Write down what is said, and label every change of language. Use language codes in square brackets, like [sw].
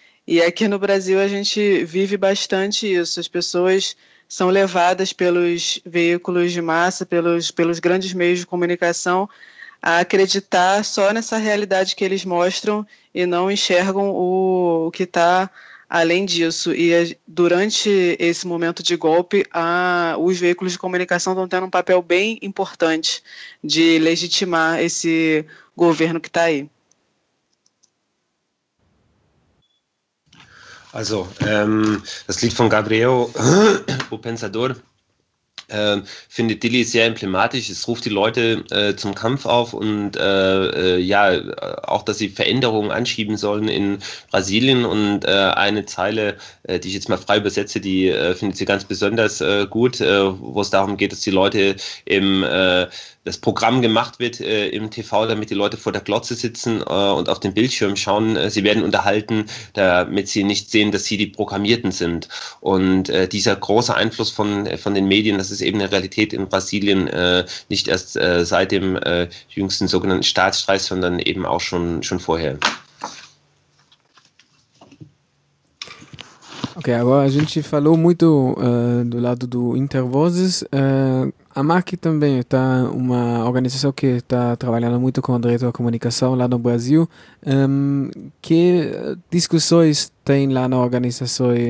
[pt] E aqui no Brasil a gente vive bastante isso. As pessoas são levadas pelos veículos de massa, pelos grandes meios de comunicação, a acreditar só nessa realidade que eles mostram e não enxergam o que está além disso. E durante esse momento de golpe, os veículos de comunicação estão tendo um papel bem importante de legitimar esse governo que está aí. [de] Also, das Lied von Gabriel, O Pensador, findet Dilly sehr emblematisch. Es ruft die Leute zum Kampf auf und auch, dass sie Veränderungen anschieben sollen in Brasilien. Und eine Zeile, die ich jetzt mal frei übersetze, die findet sie ganz besonders gut, wo es darum geht, dass die Leute das Programm gemacht wird im TV, damit die Leute vor der Glotze sitzen und auf den Bildschirm schauen. Sie werden unterhalten, damit sie nicht sehen, dass sie die Programmierten sind. Und dieser große Einfluss von den Medien, das ist eben eine Realität in Brasilien, nicht erst seit dem jüngsten sogenannten Staatsstreich, sondern eben auch schon vorher. [pt] Ok, agora a gente falou muito do lado do Intervozes. A MAC também está uma organização que está trabalhando muito com o direito à comunicação lá no Brasil. Que discussões tem lá na organização?